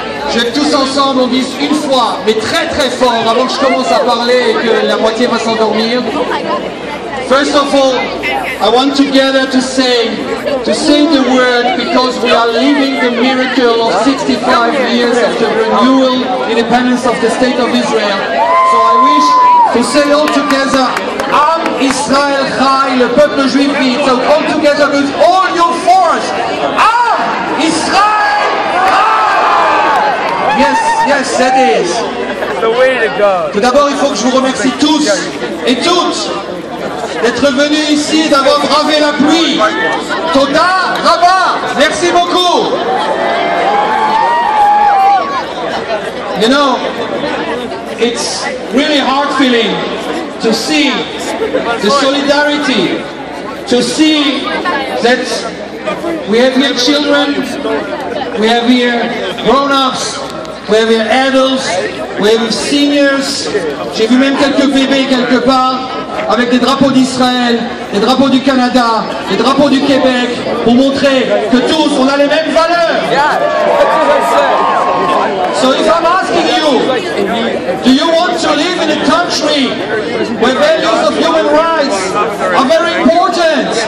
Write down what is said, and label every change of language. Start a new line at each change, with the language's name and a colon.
French: Je veux que tous ensemble on dise une fois, mais très très fort, avant que je commence à parler et que la moitié va s'endormir.
English: First of all, I want together to say the word, because we are living the miracle of 65 years of the renewal independence of the state of Israel. So I wish to say all together,
Hebrew: Am Israel Chai,
French: le peuple juif vit.
English: So all together with all your force,
Hebrew: Am Israel Chai!
English: Yes, yes, that is. The way to go.
French: Tout d'abord, il faut que je vous remercie tous et toutes d'être venu ici, d'avoir bravé la pluie.
Hebrew: Toda Rabba,
French: merci beaucoup.
English: You know, it's really heart feeling to see the solidarity, to see that we have here children, we have here grown-ups, we have here adults, we have here seniors.
French: J'ai vu même quelques bébés quelque part, avec des drapeaux d'Israël, des drapeaux du Canada, des drapeaux du Québec, pour montrer que tous, on a les mêmes valeurs.
English: So if I'm asking you, do you want to live in a country where values of human rights are very important?